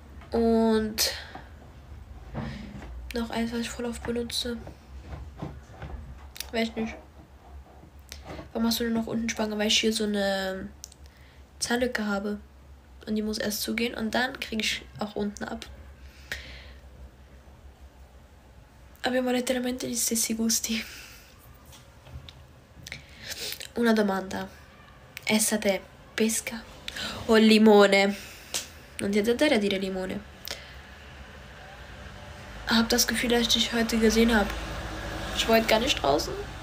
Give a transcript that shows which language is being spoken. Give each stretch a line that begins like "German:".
German: Und noch eins, was ich voll oft benutze. Weiß nicht. Warum hast du denn noch unten Spange? Weil ich hier so eine Zahnlücke habe. Und die muss erst zugehen. Und dann kriege ich auch unten ab.
Italian: Abbiamo letteralmente gli stessi gusti. Una domanda. Essa te. Pesca o limone? Non ti azzardare a dire limone.
German: Hab das Gefühl, dass ich dich heute gesehen habe. Ich war heute gar nicht draußen.